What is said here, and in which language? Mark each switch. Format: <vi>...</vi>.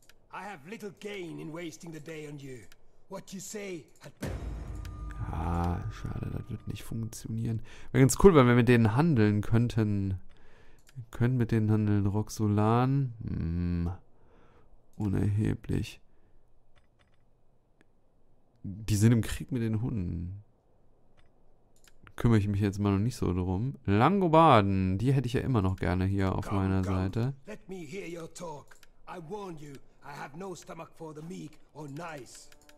<en>I have little gain in wasting the day on you. What you say had better.</en> <de>Ah, schade, das wird nicht funktionieren. Wäre ganz cool, wenn wir mit denen handeln könnten. Wir können mit denen handeln. Roxolan. Unerheblich. Die sind im Krieg mit den Hunden. Kümmere ich mich jetzt mal noch nicht so drum. Langobarden, die hätte ich ja immer noch gerne hier auf meiner Seite.</de> <en>Let me hear your talk. I warn you, I have no stomach for the meek or nice.</en>